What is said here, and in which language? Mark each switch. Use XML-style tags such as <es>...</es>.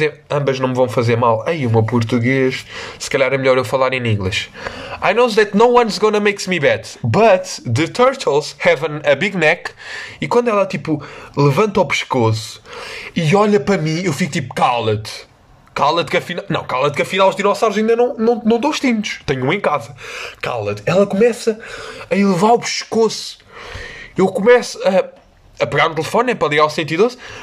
<pt>Ambas não me vão fazer mal. Aí o meu português, se calhar é melhor eu falar em inglês.</pt> <en>I know that no one's gonna make me bad, but the turtles have a big neck.</en> <pt>E quando ela tipo levanta o pescoço e olha para mim, eu fico tipo: cala-te, cala-te que afinal. Não, cala-te que afinal os dinossauros ainda não estão extintos. Tenho um em casa. Cala-te. Ela começa a elevar o pescoço. Eu começo a pegar no telefone, é para ligar o 112.</pt>